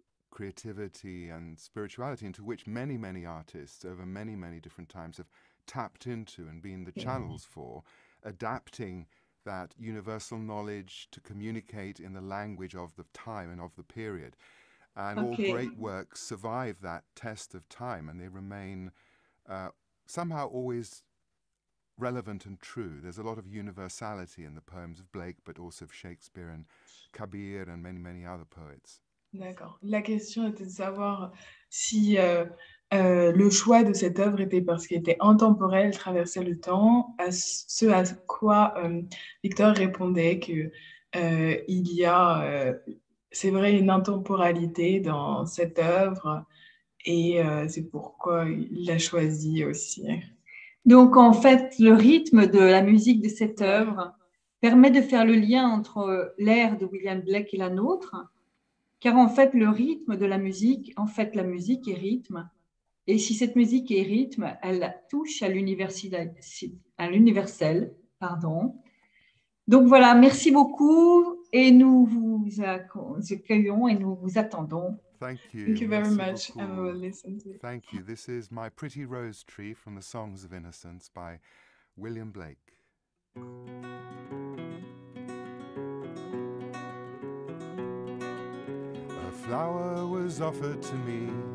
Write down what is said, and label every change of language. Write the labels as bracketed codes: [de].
[en] creativity and spirituality into which many, many artists over many, many different times have tapped into and been the channels for, adapting that universal knowledge to communicate in the language of the time and of the period. And all great works survive that test of time and they remain somehow always relevant and true. There's a lot of universality in the poems of Blake, but also of Shakespeare and Kabir and many, many other poets. [fr] D'accord. La question était de savoir si le choix de cette œuvre était parce qu'elle était intemporelle, traversait le temps, à ce à quoi Victor répondait que il y a, c'est vrai, une intemporalité dans cette œuvre. Et c'est pourquoi il l'a choisi aussi. Donc, en fait, le rythme de la musique de cette œuvre permet de faire le lien entre l'ère de William Blake et la nôtre, car en fait, le rythme de la musique, en fait, la musique est rythme. Et si cette musique est rythme, elle touche à l'universel. Pardon. Donc voilà, merci beaucoup et nous vous accueillons et nous vous attendons. [en] Thank you very [fr] merci [en] much. [fr] Beaucoup. [en] I will listen to it. Thank you. This is My Pretty Rose Tree from the Songs of Innocence by William Blake. A flower was offered to me,